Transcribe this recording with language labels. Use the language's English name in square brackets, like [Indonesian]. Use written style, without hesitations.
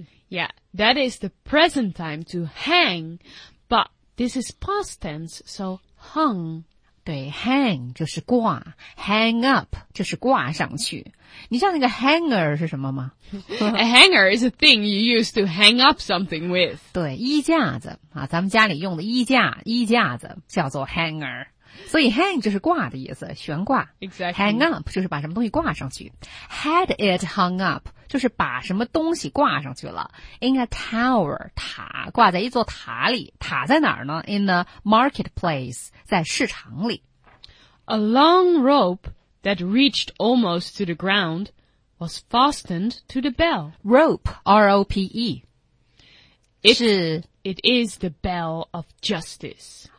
[English] Yeah, that is the present time to hang, but this is past tense, so hung. [Chinese] 对 ,hang 就是挂 ,hang up 就是挂上去。你知道那个 hanger 是什么吗 [English] ？A hanger is a thing you use to hang up something with. [Chinese] 对，衣架子啊，咱们家里用的衣架子叫做 hanger。所以 hang 就是挂的意思，悬挂。 [English] Exactly. [Chinese] Hang up 就是把什么东西挂上去。 [English] Had it hung up [Chinese] 就是把什么东西挂上去了。 [English] In a tower [Chinese] 塔，挂在一座塔里，塔在哪儿呢 ？ [English] In the marketplace [Chinese] 在市场里。 [English] A long rope. That reached almost to the ground was fastened to the bell. Rope, R-O-P-E. It is the bell of justice.